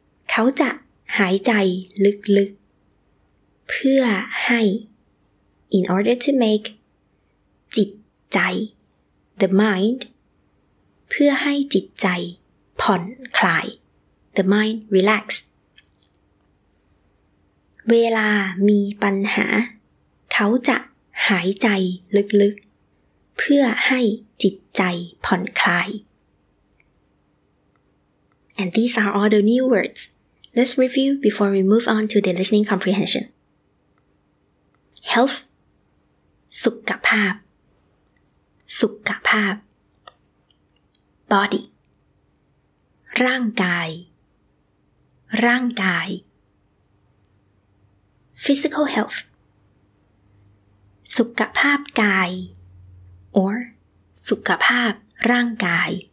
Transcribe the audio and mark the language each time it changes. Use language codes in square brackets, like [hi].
[th] เขาจะหายใจลึกๆเพื่อให้ [en] in order to make [th] จิตใจ [en] the mind [th] เพื่อให้จิตใจผ่อนคลาย [en] the mind relax. [th] เวลามีปัญหาเขาจะหายใจลึกๆเพื่อให้จิตใจผ่อนคลาย [en] And these are all the new words. Let's review before we move on to the listening comprehension. Health, สุขภาพ สุขภาพ Body, ร่างกาย ร่างกาย Physical health, สุขภาพกาย or สุขภาพร่างกาย